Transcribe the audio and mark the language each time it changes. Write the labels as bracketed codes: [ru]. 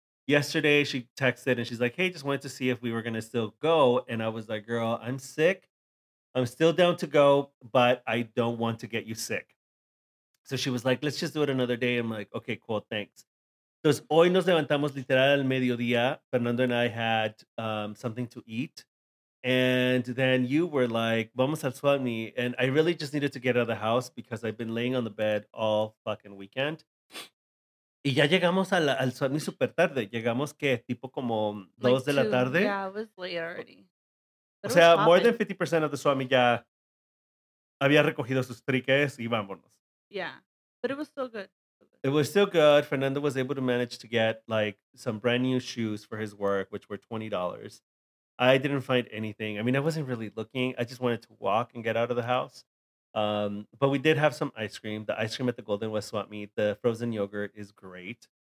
[en] Yesterday she texted and she's like, hey, just wanted to see if we were gonna still go. And I was like, girl, I'm sick. I'm still down to go, but I don't want to get you sick. So she was like, let's just do it another day. I'm like, okay, cool, thanks. [es] Entonces, hoy nos levantamos literal al mediodía. [en] Fernando and I had something to eat. And then you were like, [es] vamos al swap meet. [en] And I really just needed to get out of the house because I've been laying on the bed all fucking weekend. [es] Y ya llegamos al swap meet super tarde. Llegamos que tipo como like dos de la tarde. [en] Yeah, it was late already. [es] But o sea, [en] more than 50% of the swap meet [es] ya había recogido sus triques y vámonos. [en] Yeah, but it was still good. It was still good. Fernando was able to manage to get like some brand new shoes for his work, which were $20. I didn't find anything. I mean, I wasn't really looking. I just wanted to walk and get out of the house. But we did have some ice cream. The ice cream at the Golden West Swap Meet, the frozen yogurt is great.